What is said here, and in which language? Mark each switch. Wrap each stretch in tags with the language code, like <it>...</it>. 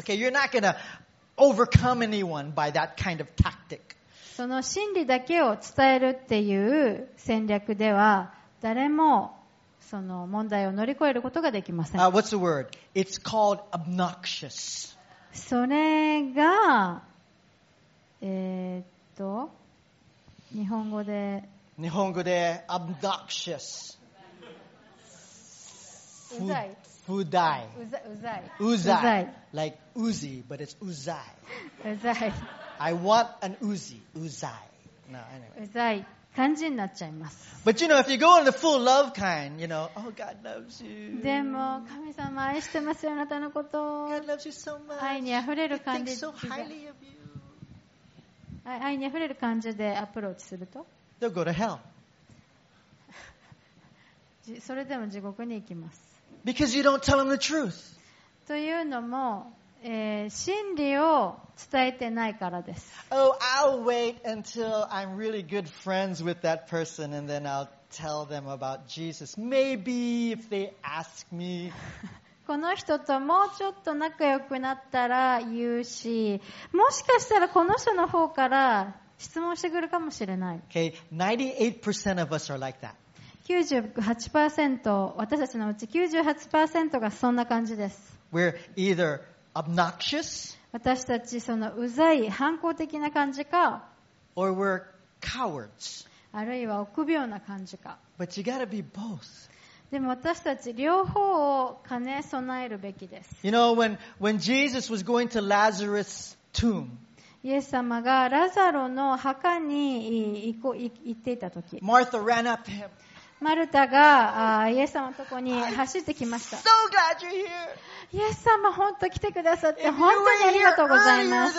<en>Okay, you're not gonna overcome anyone by that kind of tactic.</en> <ja>その真理だけを伝えるっていう戦略では誰もその問題を乗り越えることができません。</ja> <en>What's the word? It's called obnoxious.</en> <ja>それが日本語で</ja> <en>obnoxious.</en> <ja>Uzai.</ja> <en>Uzai. Uzai. Like Uzi, but it's Uzai.</en> <ja>Uzai.</ja> <en>I want an Uzi. Uzai. No, anyway.</en> <ja>Uzai. 感じになっちゃいます。</ja> <en>But you know, if you go on the full love kind, you know, oh, God loves you.</en> <ja>でも、神様愛してますよ、あなたのこと。</ja> <en>God loves you so much.</en> <ja>愛にあふれる感じ。</ja> <en>He thinks so highly of you.</en> <ja>愛にあふれる感じでアプローチすると</ja> <en>They'll go to hell.</en> <ja>それでも地獄に行きます。</ja> <en>Because you don't tell them the truth.</en> <ja>というのも、真理を伝えてないからです。</ja> <en>Oh, I'll wait until I'm really good friends with that person and then I'll tell them about Jesus. Maybe if they ask me.</en> <ja>この人ともうちょっと仲良くなったら言うし、もしかしたらこの人の方から質問してくるかもしれない。</ja> <en>Okay, 98% of us are like that.</en> <ja>98% 私たちのうち 98% がそんな感じです。</ja> <en>We're either obnoxious,</en> <ja>私たちそのうざい反抗的な感じか</ja> <en>or we're cowards.</en> <ja>あるいは臆病な感じか</ja> <en>But you gotta be both.</en> <ja>でも私たち両方を兼ね備えるべきです</ja> <en>You know, when Jesus was going to Lazarus' tomb,</en> <ja>イエス様がラザロの墓に行っていた時</ja> <en>Martha ran up to him.</en> <ja>マルタがイエス様のところに走ってきました</ja> <en>I'm so glad you're here.</en> <ja>イエス様本当来てくださって本当にありがとうございます。</ja>